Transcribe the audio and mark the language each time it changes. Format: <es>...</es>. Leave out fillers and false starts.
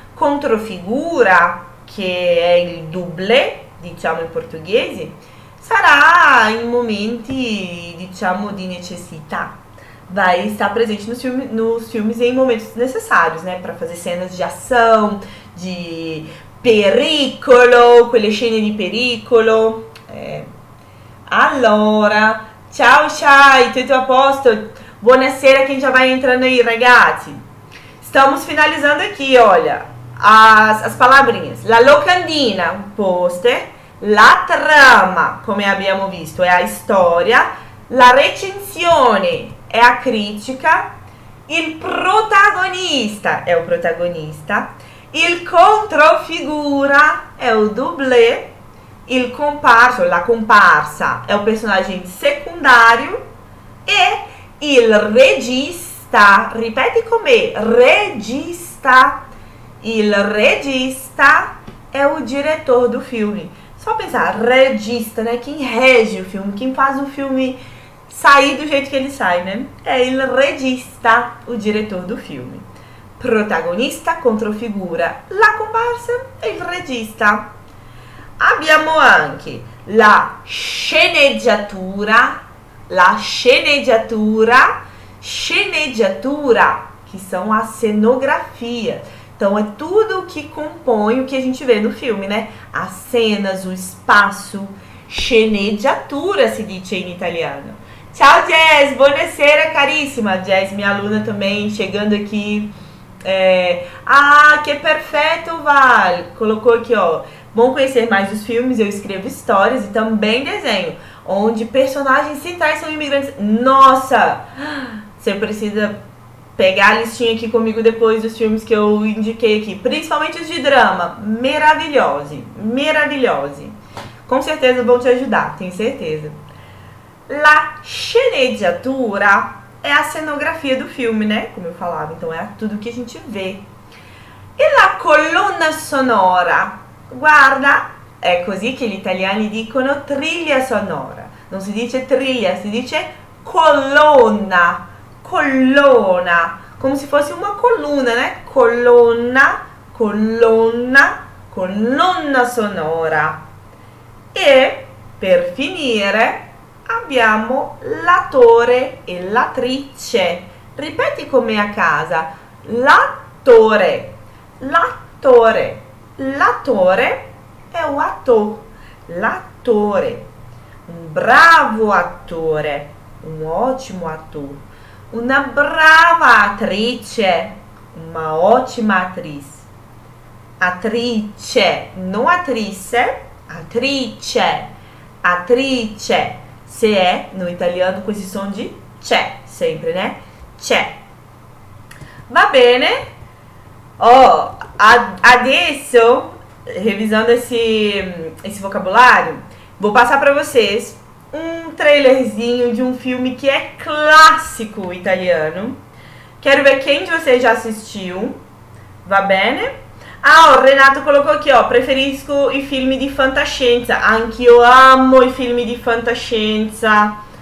<it>Controfigura, que é il dublê, diciamo</it> <pt>em português,</pt> <it>sarà in momenti, diciamo, di necessità.</it> <pt>Vai stare presente nos filmes em momentos necessários, né? Para fazer cenas de ação, de pericolo,</pt> <it>quelle scene di pericolo. Allora, ciao, ciao, tutto a posto.</it> <pt>Buonasera, quem já vai entrando aí, ragazzi. Estamos finalizando aqui, olha, as palavrinhas.</pt> <it>La locandina, poster. La trama, come abbiamo visto, è la storia. La recensione è la critica. Il protagonista è il protagonista. Il controfigura è il doublé. Il comparso, la comparsa, è il personaggio secondario. E il regista, ripeti con me, regista. Il regista è il direttore del film.</it> <pt>Só pensar, regista, né? Quem rege o filme, quem faz o filme sair do jeito que ele sai, né? É il regista, o diretor do filme.</pt> <it>Protagonista, controfigura, la comparsa e il regista. Abbiamo anche la sceneggiatura, la sceneggiatura, sceneggiatura, che sono a scenografia.</it> <pt>Então, é tudo o que compõe o que a gente vê no filme, né? As cenas, o espaço, sceneggiatura se diz em italiano. Tchau, Jess! Buonasera, caríssima! Jess, minha aluna também, chegando aqui. Ah, que perfeito, Val! Colocou aqui, ó. Bom conhecer mais os filmes, eu escrevo histórias e também desenho. Onde personagens centrais são imigrantes. Nossa! Você precisa pegar a listinha aqui comigo depois dos filmes que eu indiquei aqui. Principalmente os de drama. Maravilhose. Maravilhose. Com certeza vão te ajudar. Tenho certeza. La sceneggiatura é a cenografia do filme, né? Como eu falava. Então é tudo que a gente vê.</pt> <it>E la colonna sonora? Guarda. É così che gli italiani dicono trilha sonora. Non si dice trilha, si dice colonna. Colonna, come se fosse una colonna, né? Colonna, colonna, colonna sonora. E per finire abbiamo l'attore e l'attrice. Ripeti con me a casa. L'attore, l'attore, l'attore è un attore. L'attore, un bravo attore, un ottimo attore. Una brava attrice, una ottima attrice. Attrice, non attrice, attrice, attrice. Se è, no italiano, questi sono di c'è, sempre, né? C'è. Va bene?</it> <pt>Oh, adesso, revisando esse vocabulário, vou passar para vocês um trailerzinho de um filme que é clássico italiano. Quero ver quem de vocês já assistiu.</pt> <it>Va bene?</it> <pt>Ah, o Renato colocou aqui, ó.</pt> <it>Preferisco i filmi di fantascienza. Anch'io amo i filmi di fantascienza.</it>